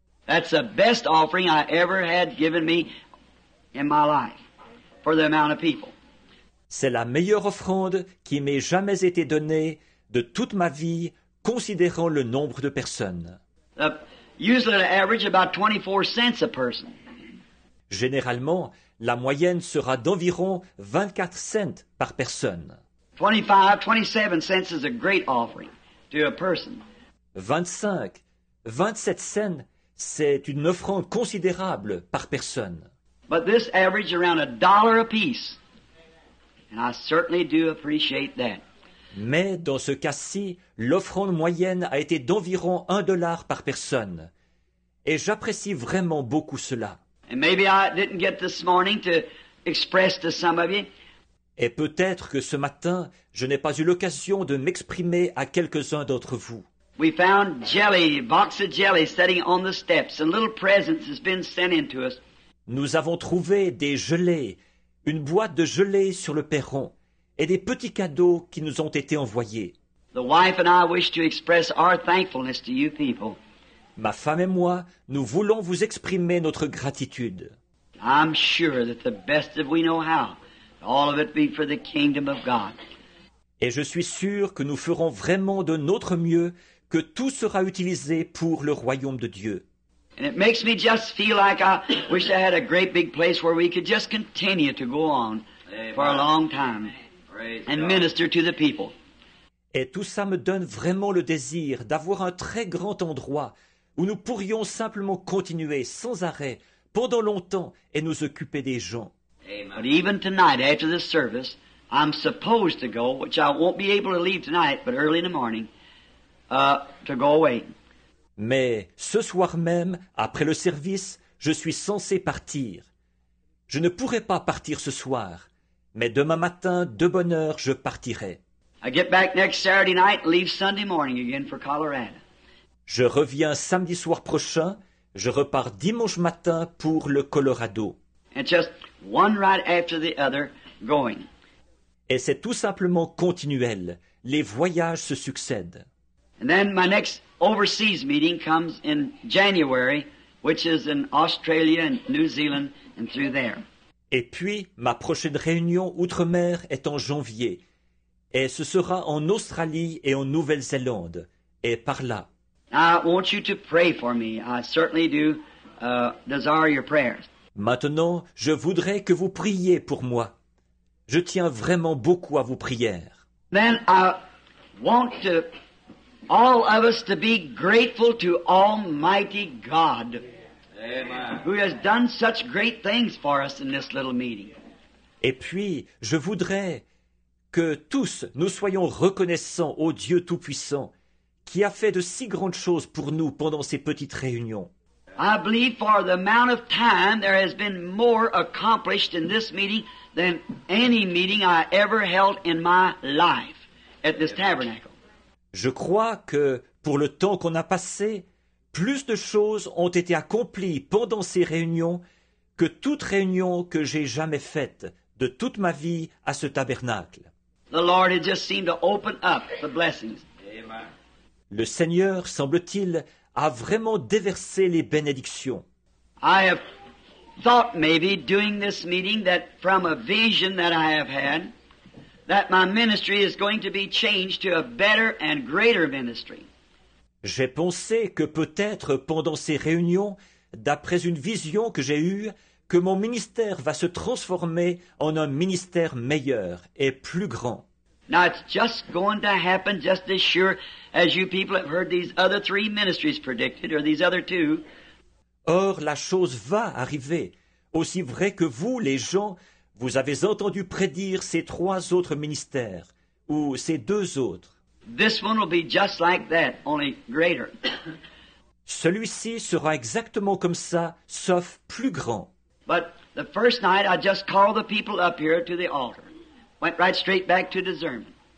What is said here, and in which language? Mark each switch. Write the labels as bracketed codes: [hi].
[en] That's the best offering I ever had given me in my life for the amount of people. [fr] C'est la meilleure offrande qui m'ait jamais été donnée de toute ma vie, considérant le nombre de personnes. [en] Usually the average about 24 cents a person. [fr] Généralement, la moyenne sera d'environ 24 cents par personne. [en] 25, 27 cents is a great offering to a person. [fr] 25, 27 cents, c'est une offrande considérable par personne. [en] But this average around a dollar a piece. And I certainly do appreciate that. [fr] Mais dans ce cas-ci, l'offrande moyenne a été d'environ $1 par personne. Et j'apprécie vraiment beaucoup cela. [en] And maybe I didn't get this morning to express to some of you. [fr] Et peut-être que ce matin, je n'ai pas eu l'occasion de m'exprimer à quelques-uns d'entre vous. [en] We found jelly, box of jelly sitting on the steps, and little presents has been sent into us. [fr] Nous avons trouvé des gelées, une boîte de gelée sur le perron et des petits cadeaux qui nous ont été envoyés. [en] The wife and I wish to express our thankfulness to you people. [fr] Ma femme et moi, nous voulons vous exprimer notre gratitude. [en] I'm sure that the best that we know how, all of it be for the kingdom of God. [fr] Et je suis sûr que nous ferons vraiment de notre mieux, que tout sera utilisé pour le royaume de Dieu. [en] And it makes me just feel like I wish I had a great big place where we could just continue to go on. Amen. For a long time. Praise and God. Minister to the people. [fr] Et tout ça me donne vraiment le désir d'avoir un très grand endroit où nous pourrions simplement continuer sans arrêt pendant longtemps et nous occuper des gens. [en] Amen. But even tonight, after this service, I'm supposed to go, which I won't be able to leave tonight, but early in the morning, to go away. [fr] Mais ce soir même, après le service, je suis censé partir. Je ne pourrai pas partir ce soir, mais demain matin, de bonne heure, je partirai. [en] I get back next Saturday night, leave Sunday morning again for Colorado. [fr] Je reviens samedi soir prochain, je repars dimanche matin pour le Colorado. [en] And just one right after the other going. [fr] Et c'est tout simplement continuel. Les voyages se succèdent. [en] And then my next overseas meeting comes in January, which is in Australia and New Zealand and through there. [fr] Et puis ma prochaine réunion outre-mer est en janvier, et ce sera en Australie et en Nouvelle-Zélande, et par là. [en] I want you to pray for me. I certainly do desire your prayers. [fr] Maintenant, je voudrais que vous priez pour moi. Je tiens vraiment beaucoup à vos prières. [en] Then I want to all of us to be grateful to Almighty God. Amen. Who has done such great things for us in this little meeting. [fr] Et puis, je voudrais que tous nous soyons reconnaissants au Dieu Tout-Puissant qui a fait de si grandes choses pour nous pendant ces petites réunions. [en] I believe for the amount of time there has been more accomplished in this meeting than any meeting I ever held in my life at this tabernacle. [fr] Je crois que, pour le temps qu'on a passé, plus de choses ont été accomplies pendant ces réunions que toute réunion que j'ai jamais faite de toute ma vie à ce tabernacle. [en] The Lord had just seemed to open up the blessings. Amen. [fr] Le Seigneur, semble-t-il, a vraiment déversé les bénédictions. [en] I have thought maybe during this meeting that from a vision that I have had, that my ministry is going to be changed to a better and greater ministry. [fr] J'ai pensé que peut-être pendant ces réunions, d'après une vision que j'ai eue, que mon ministère va se transformer en un ministère meilleur et plus grand. [en] Now it's just going to happen just as sure as you people have heard these other three ministries predicted, or these other two. [fr] Or, la chose va arriver. Aussi vrai que vous, les gens, vous avez entendu prédire ces trois autres ministères, ou ces deux autres. [en] This one will be just like that, only greater. [fr] Celui-ci sera exactement comme ça, sauf plus grand. [en] But the first night I just called the people up here to the altar. Went right straight back to discernment.